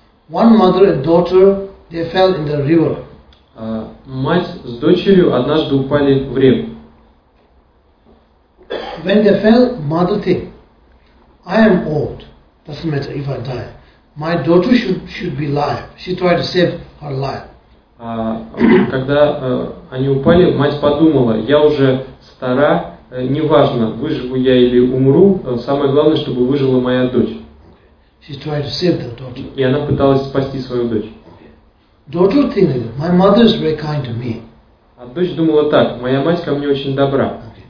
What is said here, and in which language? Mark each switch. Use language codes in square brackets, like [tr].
[en] One mother and daughter, they fell in the river. [ru] Мать с дочерью однажды упали в реку. [en] When they fell, mother think, I am old, doesn't matter if I die. My daughter should be alive. She tried to save her life. [ru] Когда они упали, мать подумала, я уже стара, неважно, выживу я или умру, самое главное, чтобы выжила моя дочь. И она пыталась спасти свою дочь. А дочь думала так, моя мать ко мне очень добра.